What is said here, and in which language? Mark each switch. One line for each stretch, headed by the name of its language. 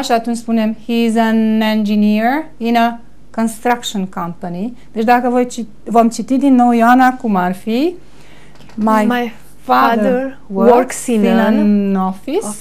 Romanian: Și atunci spunem
English: he is an engineer in a construction company.
Romanian: Deci dacă vom citi din nou Ioana, cum ar fi?
English: My father works in an office.